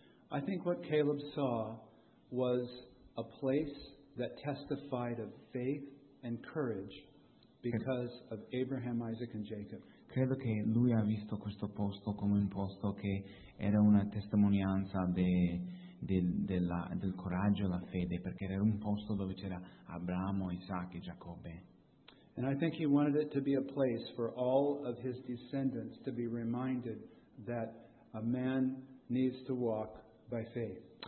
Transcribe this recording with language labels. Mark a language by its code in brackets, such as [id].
[en] I think what Caleb saw was a place that testified of faith and courage because of Abraham, Isaac, and Jacob. [it] Credo che lui ha visto questo posto come un posto che era una testimonianza del coraggio e la fede, perché era un posto dove c'era Abramo, Isaac e Giacobbe. [en] And I think he wanted it to be a place for all of his descendants to be reminded that a man needs to walk by faith.